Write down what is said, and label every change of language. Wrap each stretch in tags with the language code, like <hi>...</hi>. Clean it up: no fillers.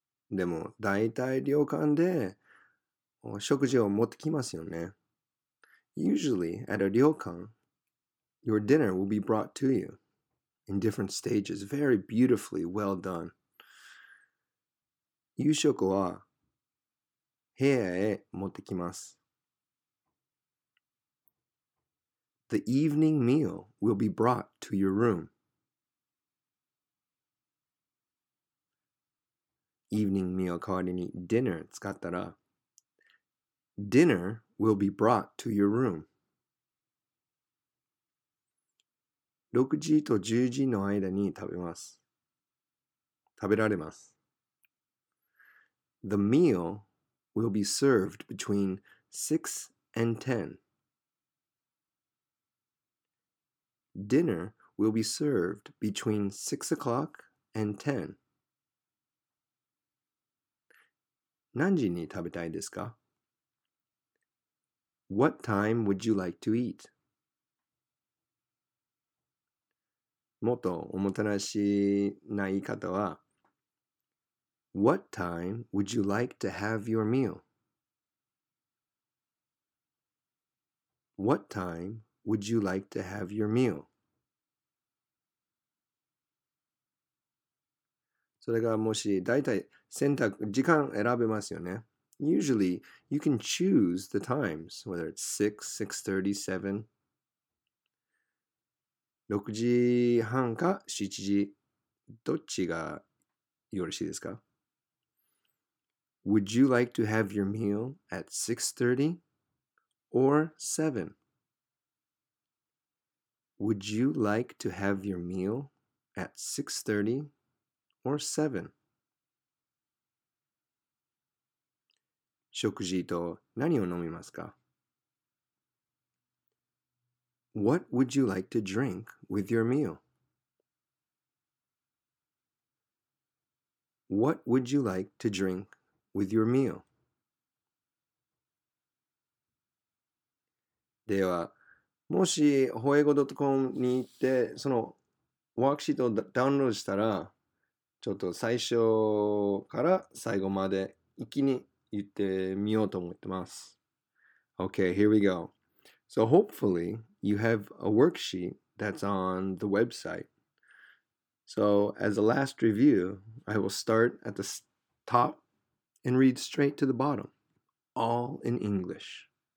<ja>でも、だいたい旅館で食事を持ってきますよね。</ja> <en>Usually, at a 旅館, your dinner will be brought to you in different stages, very beautifully well done.</en> <ja>夕食は部屋へ持ってきます。</ja> <en>The evening meal will be brought to your room. Evening meal</en> <ja>代わりに dinner 使ったら</ja> <en>Dinner will be brought to your room.</en> <ja>6時と10時の間に食べます。食べられます。</ja> <en>The meal will be served between 6 and 10. Dinner will be served between 6 o'clock and 10.</en> <ja>何時に食べたいですか?</ja> <en>What time would you like to eat?</en> <ja>もっとおもてなしな言い方は</ja> <en>What time would you like to have your meal? What time would you like to have your meal?</en> <ja>それがもしだいたい選択、時間選べますよね。</ja> <en>Usually, you can choose the times, whether it's 6, 6.30, 7.</en> <ja>6時半か7時、どっちがよろしいですか?</ja> <en>Would you like to have your meal at 6.30 or 7? Would you like to have your meal at 6.30 or 7?</en> <ja>食事と何を飲みますか?</ja> <en>What would you like to drink with your meal? What would you like to drink with your meal?</en> <ja>では、もしホエゴ .com に行ってそのワークシートをダウンロードしたらちょっと最初から最後まで一気に言ってみようと思ってます。</ja> <en>Okay, here we go. So hopefully you have a worksheet that's on the website. So as a last review, I will start at the top and read straight to the bottom, all in English.</en>